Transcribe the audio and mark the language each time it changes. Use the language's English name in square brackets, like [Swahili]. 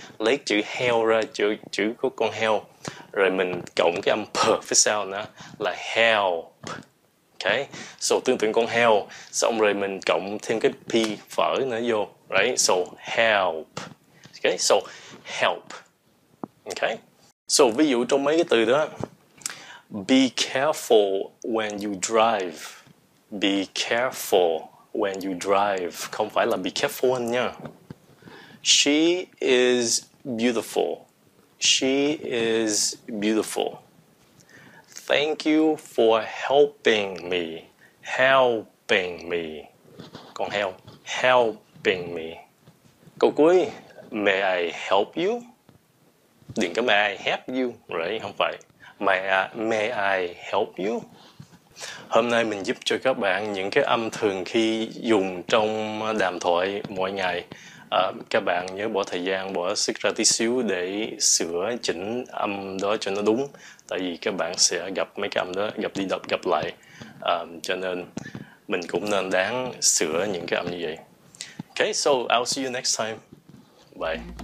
[Vietnamese] Lấy chữ heo ra, chữ của con heo. Rồi mình cộng cái âm p phía sau nữa là help. Okay. So tương tự con heo. Xong rồi mình cộng thêm cái p phở nữa vô. [English] Right. So help. Okay. So help. Okay. [Vietnamese] So ví dụ trong mấy cái từ đó. [English] Be careful when you drive. Be careful when you drive. [Vietnamese] Không phải là [English] be careful [Vietnamese] nha. [English] She is beautiful. She is beautiful. Thank you for helping me. Helping me. [Vietnamese] Còn heo. [English] Helping me. [Vietnamese] Câu cuối. [English] May I help you? [Vietnamese] Đừng có [English] may I help you. Right? [Vietnamese] Không phải. [English] May I help you? [Vietnamese] Hôm nay mình giúp cho các bạn những cái âm thường khi dùng trong đàm thoại mỗi ngày. Các bạn nhớ bỏ thời gian, bỏ sức ra tí xíu để sửa chỉnh âm đó cho nó đúng. Tại vì các bạn sẽ gặp mấy cái âm đó, gặp đi đọc, gặp lại. Cho nên mình cũng nên đáng sửa những cái âm như vậy. [English] Okay, so I'll see you next time. Bye.